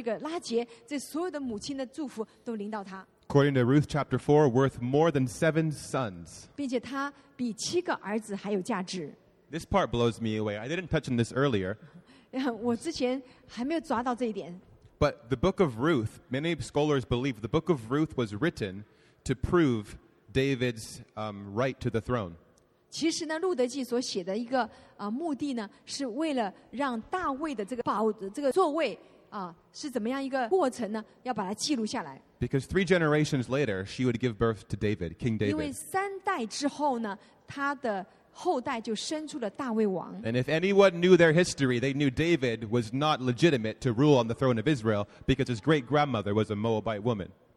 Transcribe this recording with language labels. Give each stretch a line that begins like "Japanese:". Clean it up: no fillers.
Chinese: 她甚至在以色列家中的利亚跟这个拉结，这所有的母亲的祝福都临到她。
English: According to Ruth chapter 4, worth more than seven sons.
Chinese: 并且她比七个儿子还有价值。
English: This part blows me away. I didn't touch on this earlier.
Chinese: 我之前还没有抓到这一点。
English: But the book of Ruth, many scholars believe the book of Ruth was written to prove David's right to the throne.
Chinese: 其实呢，路德记所写的一个目的呢，是为了让大卫的这个宝的这个座位是怎么样一个过程呢？要把它记录下来。
English: Because three generations later, she would give birth to David, King David.
Chinese: 因为三代之后呢，他的后代就生出了大卫王。
English: And if anyone knew their history, they knew David was not legitimate to rule on the throne of Israel because his great grandmother was a Moabite woman.